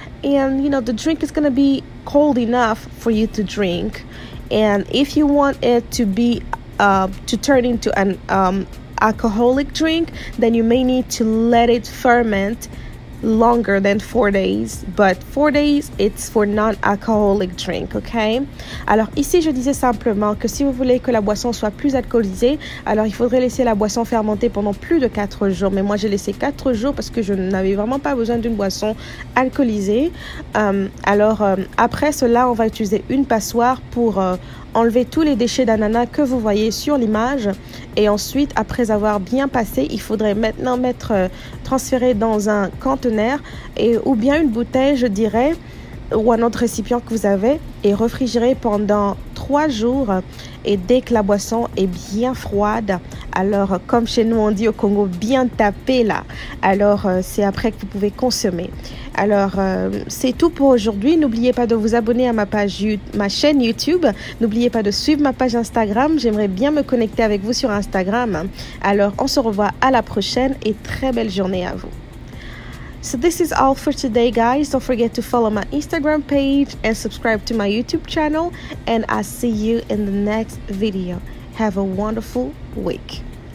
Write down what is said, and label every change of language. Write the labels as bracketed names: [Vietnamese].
[English] And you know, the drink is gonna be cold enough for you to drink. And if you want it to be to turn into an alcoholic drink, then you may need to let it ferment longer than 4 days, but 4 days it's for non-alcoholic drink. [French] Okay, alors ici je disais simplement que si vous voulez que la boisson soit plus alcoolisée, alors il faudrait laisser la boisson fermenter pendant plus de 4 jours, mais moi j'ai laissé 4 jours parce que je n'avais vraiment pas besoin d'une boisson alcoolisée. Après cela, on va utiliser une passoire pour enlever tous les déchets d'ananas que vous voyez sur l'image. Et ensuite, après avoir bien passé, il faudrait maintenant mettre transféré dans un conteneur et ou bien une bouteille, je dirais, ou un autre récipient que vous avez, et refrigérer pendant 3 jours. Et dès que la boisson est bien froide, alors comme chez nous on dit au Congo, bien tapé là, alors c'est après que vous pouvez consommer. Alors c'est tout pour aujourd'hui. N'oubliez pas de vous abonner à ma chaîne YouTube. N'oubliez pas de suivre ma page Instagram. J'aimerais bien me connecter avec vous sur Instagram. Alors on se revoit à la prochaine et très belle journée à vous. [English] So this is all for today, guys. Don't forget to follow my Instagram page and subscribe to my YouTube channel. And I'll see you in the next video. Have a wonderful week.